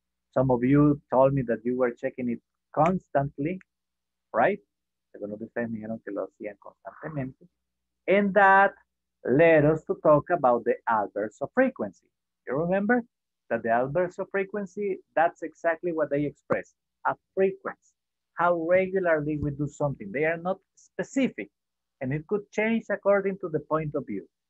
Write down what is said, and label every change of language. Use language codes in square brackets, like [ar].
[en] Some of you told me that you were checking it constantly, right? [es] Algunos de ustedes me dijeron que lo hacían constantemente. [en] And that led us to talk about the adverbs of frequency. You remember that the adverbs of frequency, that's exactly what they express, a frequency. How regularly we do something. They are not specific and it could change according to the point of view.